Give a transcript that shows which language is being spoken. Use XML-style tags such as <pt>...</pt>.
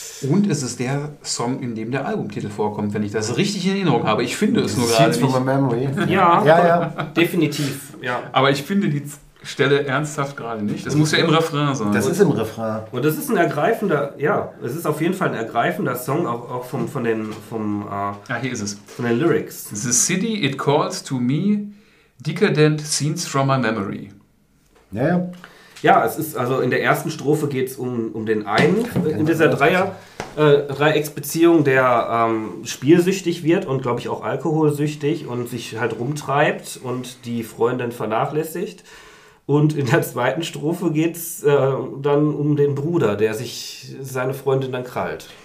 <de>Und es ist der Song, in dem der Albumtitel vorkommt, wenn ich das richtig in Erinnerung habe. Ich finde es nur gerade nicht.</de> <en>From a Memory.</en> <de>Ja, ja, ja. Definitiv. Ja. Aber ich finde die Stelle ernsthaft gerade nicht. Das muss ja im Refrain sein. Das ist im Refrain. Und das ist ein ergreifender, ja, es ist auf jeden Fall ein ergreifender Song, auch vom, von den, vom, ja, hier ist es. Von den Lyrics.</de> <en>The city, it calls to me, decadent scenes from my memory.</en> <de>Ja, ja. Ja, es ist, also in der ersten Strophe geht es um den einen, in dieser Dreiecksbeziehung, der spielsüchtig wird und, glaube ich, auch alkoholsüchtig und sich halt rumtreibt und die Freundin vernachlässigt. Und in der zweiten Strophe geht es dann um den Bruder, der sich seine Freundin dann krallt.</de>